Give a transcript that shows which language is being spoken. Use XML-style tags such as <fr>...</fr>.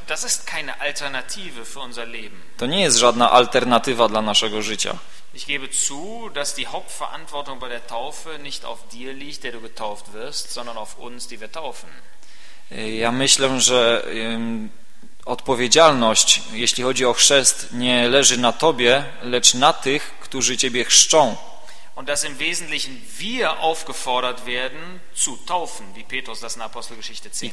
<de>Das ist keine Alternative für unser Leben.</de> <pl>To nie jest żadna alternatywa dla naszego życia.</pl> <de>Ich gebe zu, dass die Hauptverantwortung bei der Taufe nicht auf dir liegt, der du getauft wirst, sondern auf uns, die wir taufen.</de> <pl>Ja myślę, że odpowiedzialność, jeśli chodzi o chrzest, nie leży na tobie, lecz na tych, którzy ciebie chrzczą.</pl> <de>Und dass im Wesentlichen wir aufgefordert werden zu taufen, wie Petrus das in Apostelgeschichte 10.</de>